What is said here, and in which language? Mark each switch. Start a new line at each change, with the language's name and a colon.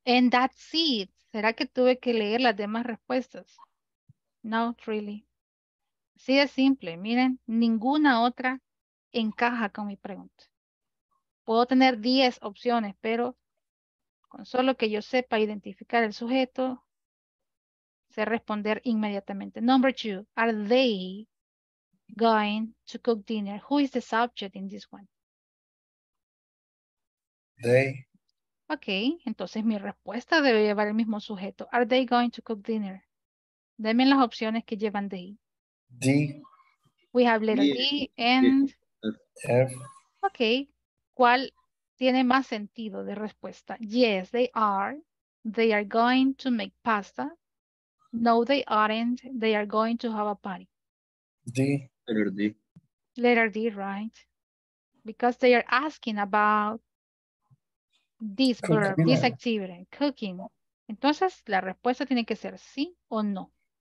English: That's it.
Spanish: ¿Será que tuve que leer las demás respuestas?
English: Not really.
Spanish: Sí, es simple. Miren, ninguna otra encaja con mi pregunta. Puedo tener 10 opciones, pero con solo que yo sepa identificar el sujeto, sé responder inmediatamente.
English: Number two, are they going to cook dinner? Who is the subject in this one? They.
Spanish: Ok, entonces mi respuesta debe llevar el mismo sujeto.
English: Are they going to cook dinner?
Spanish: Denme las opciones que llevan
English: they. D. We have letter D and F.
Spanish: Ok, ¿cuál tiene más sentido de respuesta?
English: Yes, they are. They are going to make pasta. No, they aren't. They are going to have a party. D. Letter D. Letter D, right. Because they are asking about this verb, this activity, cooking.
Spanish: Entonces, la respuesta tiene que ser sí o no.